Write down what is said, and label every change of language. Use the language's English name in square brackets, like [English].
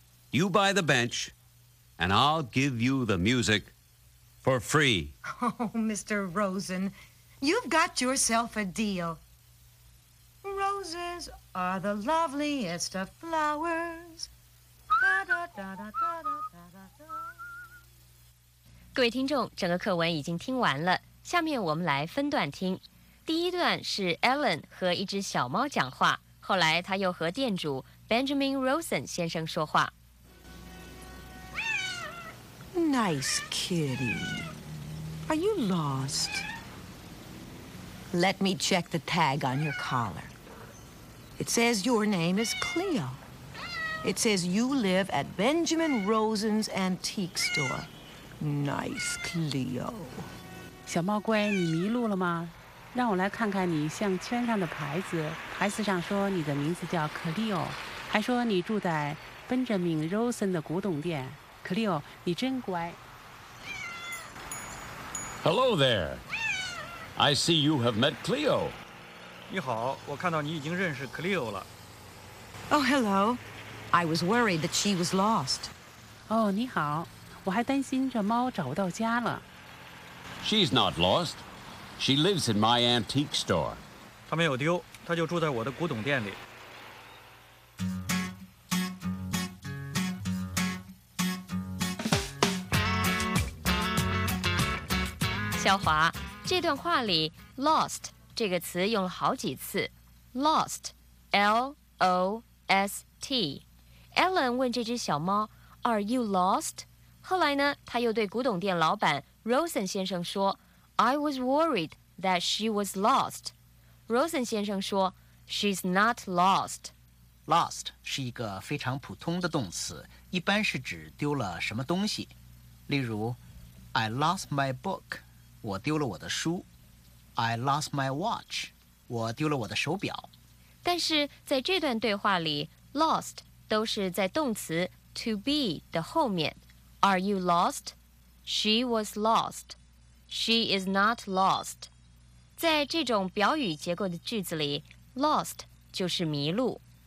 [English] You buy the bench, and I'll give you the music for free. Oh, Mr. Rosen, you've got yourself a deal. Roses are the loveliest of flowers. Da, da, da, da, da, da, da, da. [Chinese] 各位听众，整个课文已经听完了，下面我们来分段听。第一段是 Ellen 和一只小猫讲话，后来他又和店主 Benjamin Rosen 先生说话。 [English] Nice kitty. Are you lost? Let me check the tag on your collar. It says your name is Cleo. It says you live at Benjamin Rosen's antique store. Nice Cleo. [Chinese] 小猫乖，你迷路了吗？让我来看看你项圈上的牌子，牌子上说你的名字叫 Cleo， 还说你住在 Benjamin Rosen 的古董店。 Cleo， 你真乖。 [English] Hello there. I see you have met Cleo. [Chinese] 你好，我看到你已经认识 Cleo 了。 [English] Oh, hello. I was worried that she was lost. [Chinese] 哦、oh, ，你好，我还担心这猫找不到家了。 [English] She's not lost. She lives in my antique store. [Chinese] 她没有丢，她就住在我的古董店里。小华，这段话里 lost 这个词用了好几次。 [English] Lost, L-O-S-T. [Chinese] Ellen 问这只小猫 ， [English] Are you lost？ [Chinese] 后来呢，他又对古董店老板 Rosen 先生说 ， [English] I was worried that she was lost。 Rosen [Chinese] 先生说 [English] ，She's not lost。 [Chinese] Lost 是一个非常普通的动词，一般是指丢了什么东西。例如 [English] ，I lost my book。 [Chinese] 我丢了我的书 [English] ，I lost my watch。 [Chinese] 我丢了我的手表。但是在这段对话里 ，lost 都是在动词 to be 的后面。 [English] Are you lost? She was lost. She is not lost. [Chinese] 在这种表语结构的句子里 ，lost 就是迷路。